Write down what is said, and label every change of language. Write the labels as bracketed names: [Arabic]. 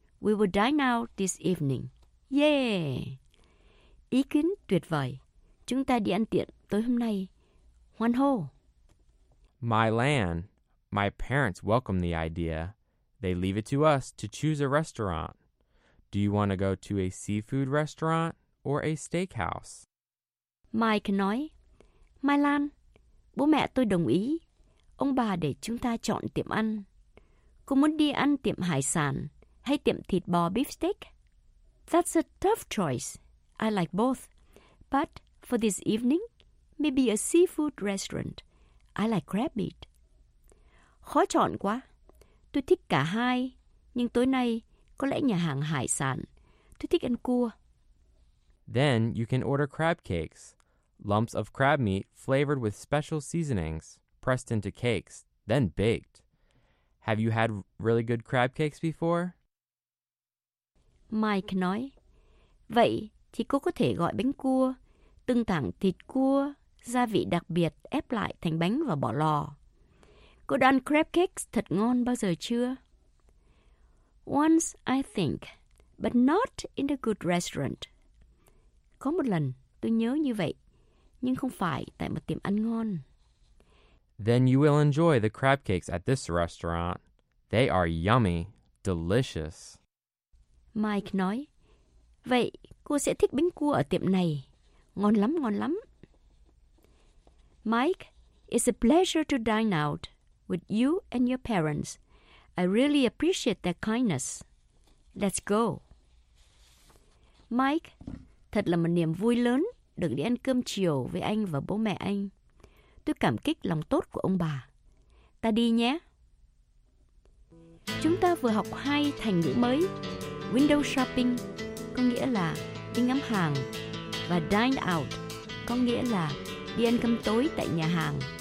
[English] We will dine out this evening. [Vietnamese] Yay! Ý kiến tuyệt vời. Chúng ta đi ăn tiệm tối hôm nay. Hoan hô! [English] My land. My parents welcome the idea. They leave it to us to choose a restaurant. Do you want to go to a seafood restaurant or a steakhouse? [Vietnamese] Mike nói, My Lan, bố mẹ tôi đồng ý. Ông bà để chúng ta chọn tiệm ăn. Cô muốn đi ăn tiệm hải sản hay tiệm thịt bò beefsteak? [English] That's a tough choice. I like both. But for this evening, maybe a seafood restaurant. I like crab meat. [Vietnamese] Khó chọn quá. Tôi thích cả hai. Nhưng tối nay, có lẽ nhà hàng hải sản. Tôi thích ăn cua. [English] Then you can order crab cakes. Lumps of crab meat flavored with special seasonings, pressed into cakes, then baked. Have you had really good crab cakes before? [Vietnamese] Mike nói, vậy thì cô có thể gọi bánh cua, từng thẳng thịt cua, gia vị đặc biệt ép lại thành bánh và bỏ lò. Cô đã ăn crab cakes thật ngon bao giờ chưa? [English] Once I think, but not in a good restaurant. [Vietnamese] Có một lần tôi nhớ như vậy, nhưng không phải tại một tiệm ăn ngon. [English] Then you will enjoy the crab cakes at this restaurant. They are yummy, delicious. [Vietnamese] Mike nói, vậy cô sẽ thích bánh cua ở tiệm này. Ngon lắm, ngon lắm. [English] Mike, it's a pleasure to dine out with you and your parents. I really appreciate their kindness. Let's go. [Vietnamese] Mike, thật là một niềm vui lớn được đi ăn cơm chiều với anh và bố mẹ anh. Tôi cảm kích lòng tốt của ông bà. Ta đi nhé. Chúng ta vừa học hai thành ngữ mới. Window shopping có nghĩa là đi ngắm hàng, và dine out có nghĩa là đi ăn cơm tối tại nhà hàng.